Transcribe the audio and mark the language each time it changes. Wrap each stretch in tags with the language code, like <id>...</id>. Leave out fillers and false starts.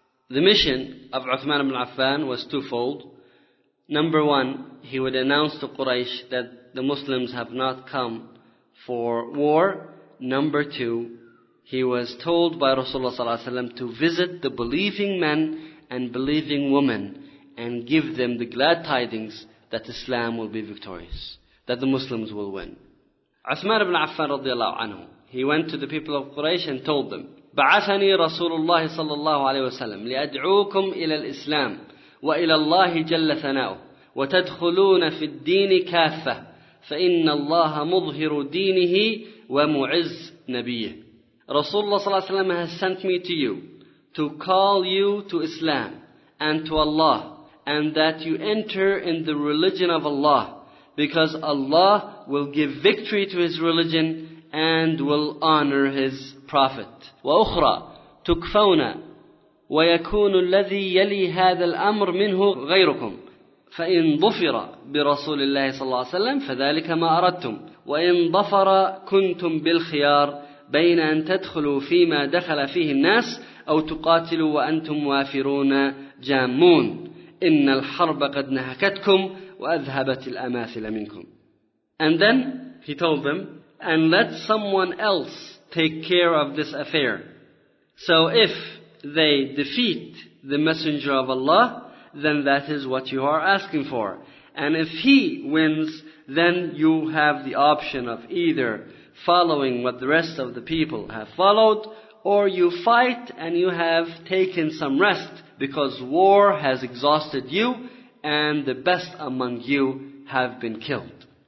<en>The mission of Uthman ibn Affan was twofold. Number one, he would announce to Quraysh that the Muslims have not come for war. Number two, he was told by Rasulullah sallallahu alaihi wasallam to visit the believing men and believing women and give them the glad tidings that Islam will be victorious, that the Muslims will win. Uthman ibn Affan radiallahu anhu, he went to the people of Quraysh and told them,</en> <ar>بعثني رسول الله صلى الله عليه وسلم لأدعوكم إلى الإسلام وإلى الله جل ثناؤه وتدخلون في الدين كافة فإن الله مظهر دينه ومعز نبيه.</ar> <en>رسول الله صلى الله عليه وسلم has sent me to you to call you to Islam and to Allah and that you enter in the religion of Allah because Allah will give victory to his religion and will honor his prophet.</en> <ar>وأخرى تكفون ويكون الذي يلي هذا الأمر منه غيركم فإن ضفر برسول الله صلى الله عليه وسلم فذلك ما أردتم وإن ضفر كنتم بالخيار بين أن تدخلوا فيما دخل فيه الناس أو تقاتلوا وأنتم وافرون جامون إن الحرب قد نهكتكم وأذهبت الأماثل منكم.</ar> <en>And then he told them, and let someone else take care of this affair. So if they defeat the Messenger of Allah, then that is what you are asking for. And if he wins, then you have the option of either following what the rest of the people have followed, or you fight and you have taken some rest, because war has exhausted you, and the best among you have been killed.</en>